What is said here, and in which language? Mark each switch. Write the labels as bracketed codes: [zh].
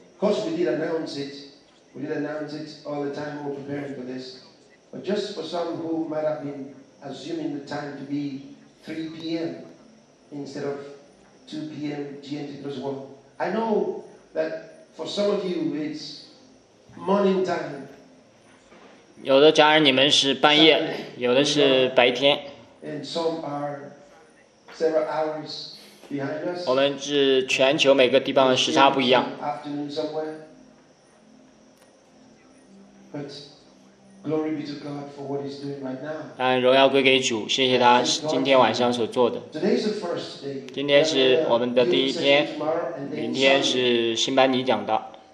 [en] Of course, we did announce it. We did announce it all the time. We were preparing for this. But just for some who might have been assuming the time to be 3 p.m. instead of 2 p.m. GMT plus 1. I know that for some of you it's morning time. [zh] 有的家人你们是半夜，有的是白天。 [en] And some are several hours behind us. [zh] 我们是全球每个地方的时差不一样。 [en] Afternoon somewhere. But glory be to God for what He's doing right now. [zh] 但荣耀归给主，谢谢他今天晚上所做的。 [en] Today's the first day. [zh] 今天是我们的第一天，明天是新班尼讲道。